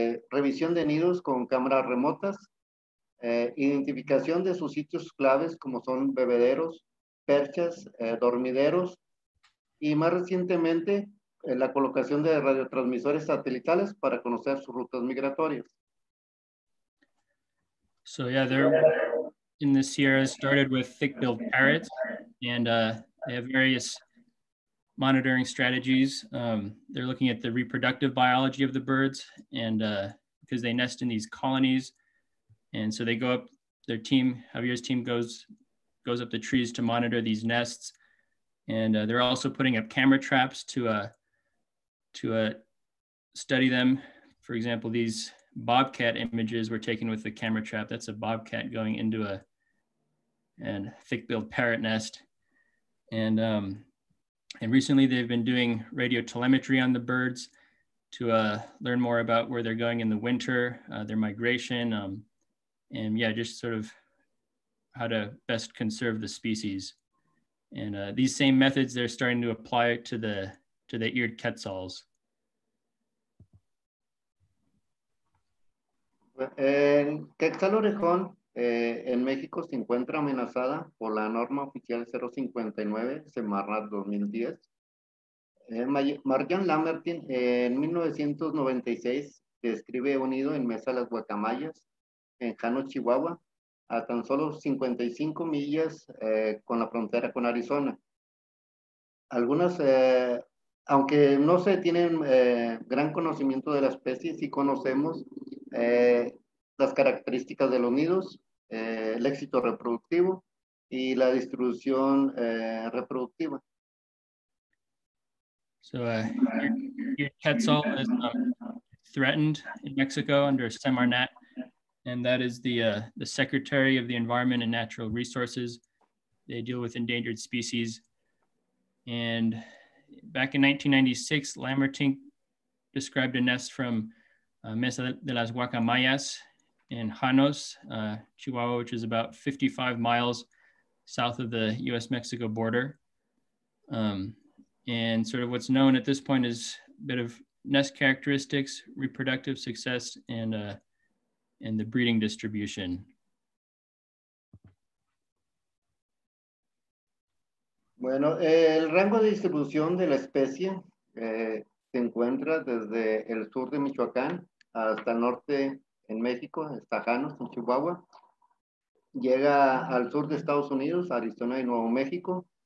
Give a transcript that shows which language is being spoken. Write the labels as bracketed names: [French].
[Spanish] revisión de nidos con cámaras remotas, identificación de sus sitios claves como son bebederos, perchas, dormideros, y más recientemente, la colocación de radiotransmisores satelitales para conocer sus rutas migratorias. [English] So yeah, they're in the Sierras, started with thick-billed parrots, and they have various monitoring strategies. They're looking at the reproductive biology of the birds, and because they nest in these colonies, and so they go up, their team, Javier's team, goes up the trees to monitor these nests, and they're also putting up camera traps to study them. For example, these bobcat images were taken with the camera trap. That's a bobcat going into a thick-billed parrot nest. And recently they've been doing radio telemetry on the birds to learn more about where they're going in the winter, their migration, and yeah, just sort of how to best conserve the species. And these same methods, they're starting to apply to the eared quetzals. [Spanish] El quetzal orejón en México se encuentra amenazada por la norma oficial 059, Semarnat 2010. Marjan Lambertin en 1996 describe un nido en Mesa de las Guacamayas, en Jano, Chihuahua, a tan solo 55 millas con la frontera con Arizona. Algunas, aunque no se tienen gran conocimiento de la especie, sí conocemos las características de los nidos, el éxito reproductivo y la distribución reproductiva. [English] So, your quetzal is threatened in Mexico under Semarnat, and that is the Secretary of the Environment and Natural Resources. They deal with endangered species. And back in 1996, Lambertin described a nest from Mesa de las Guacamayas in Janos, Chihuahua, which is about 55 miles south of the US-Mexico border. And sort of what's known at this point is a bit of nest characteristics, reproductive success, and the breeding distribution. [Spanish] Bueno, el rango de distribución de la especie se encuentra desde el sur de Michoacán hasta el norte en México, hasta Janos, en Chihuahua. Llega al sur de Estados Unidos, Arizona y Nuevo México.